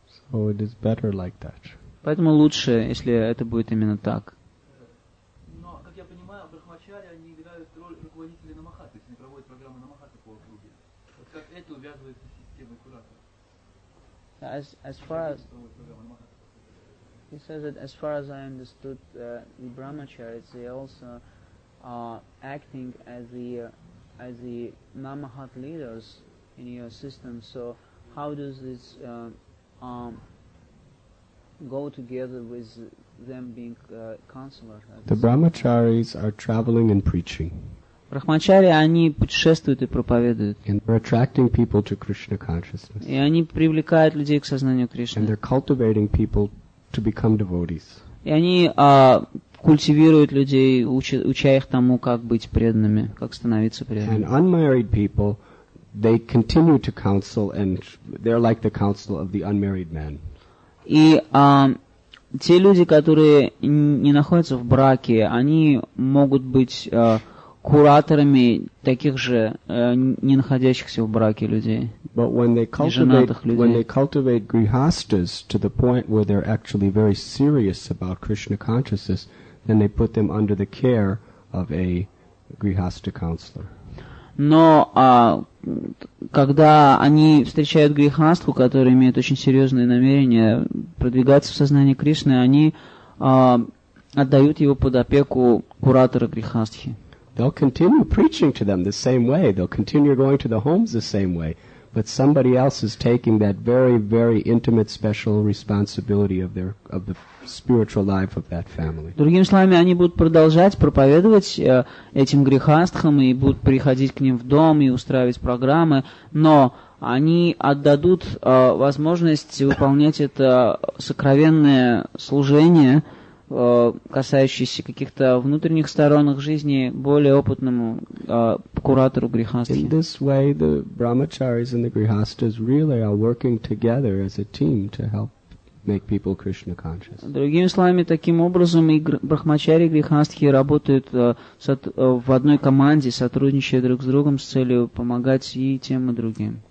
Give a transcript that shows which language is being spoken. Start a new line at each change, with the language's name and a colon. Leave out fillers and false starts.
English: So it is better like that.
Russian: Поэтому лучше, если это будет именно так. Но, как я понимаю, брахмачари, они играют роль руководителей намаха, то есть они проводят программы намаха по округе. Вот как это увязывается с системой куратора?
English: He says that as far as I understood, the brahmacharis, they also are acting as the namahat leaders in your system. So how does this go together with them being counselors? The brahmacharis are traveling and preaching.
Russian: Брахмачари, они путешествуют и проповедуют.
English: And they're attracting people to Krishna consciousness.
Russian: И они привлекают людей к сознанию Кришны.
English: And they're cultivating people to become devotees.
Russian: И они культивируют людей, уча их тому, как быть преданными, как становиться преданными.
English: And unmarried people, they continue to counsel, and they're like the counsel of the unmarried man.
Russian: И те люди, которые не находятся в браке, они могут быть кураторами таких же не находящихся в браке людей.
English: But when they cultivate grihasthas to the point where they're actually very serious about Krishna consciousness, then they put them under the care of a grihastha counselor.
Russian: Но когда они встречают грихастху, которая имеет очень серьезные намерения продвигаться в сознании Кришны, они отдают его под опеку куратора грихастхи.
English: They'll continue preaching to them the same way. They'll continue going to the homes the same way. But somebody else is taking that very, very intimate, special responsibility of the spiritual life of that family.
Russian: Другими словами, они будут продолжать проповедовать этим грехастхам и будут приходить к ним в дом и устраивать программы, но они отдадут возможность выполнять это сокровенное служение, касающееся каких-то внутренних сторон жизни, более опытному куратору грихастхи.
English: In this way, the brahmacharis and the grihasthas really are working together as a team to help make people Krishna conscious.
Russian: Другими словами, таким образом и брахмачари, и грихастхи работают в одной команде, сотрудничая друг с другом с целью помогать и тем, и другим.